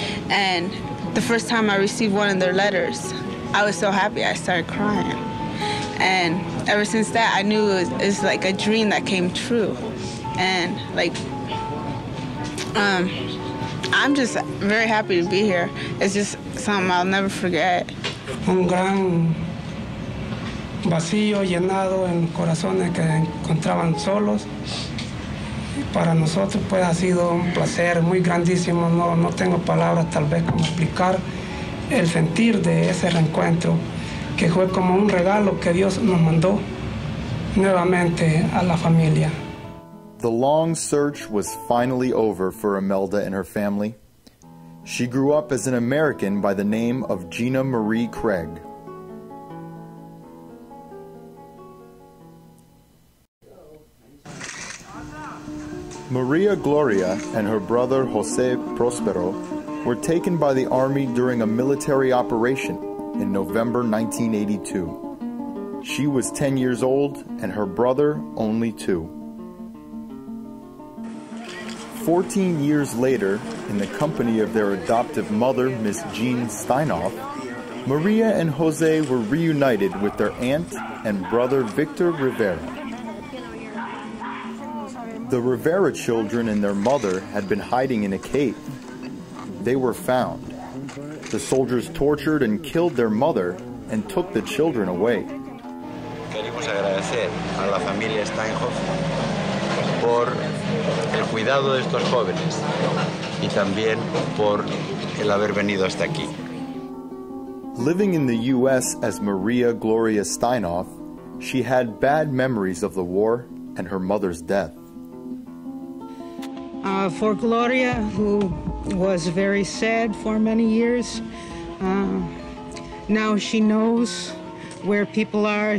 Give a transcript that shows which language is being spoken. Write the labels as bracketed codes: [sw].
[en] And the first time I received one of their letters, I was so happy I started crying. And ever since that, I knew it was like a dream that came true. And like, I'm just very happy to be here. It's just something I'll never forget. [es] Un gran vacío llenado en corazones que encontraban solos. Para nosotros pues ha sido un placer muy grandísimo. No tengo palabras tal vez como explicar el sentir de ese reencuentro, que fue como un regalo que Dios nos mandó nuevamente a la familia. [en] The long search was finally over for Imelda and her family. She grew up as an American by the name of Gina Marie Craig. Maria Gloria and her brother Jose Prospero were taken by the army during a military operation in November 1982. She was 10 years old and her brother only 2. 14 years later, in the company of their adoptive mother, Miss Jean Steinoff, Maria and Jose were reunited with their aunt and brother Victor Rivera. The Rivera children and their mother had been hiding in a cave. They were found. The soldiers tortured and killed their mother and took the children away. [es] Queremos agradecer a la familia Steinhoff por el cuidado de estos jóvenes y también por el haber venido hasta aquí. [en] Living in the U.S. as Maria Gloria Steinhoff, she had bad memories of the war and her mother's death. For Gloria, who was very sad for many years, now she knows where people are.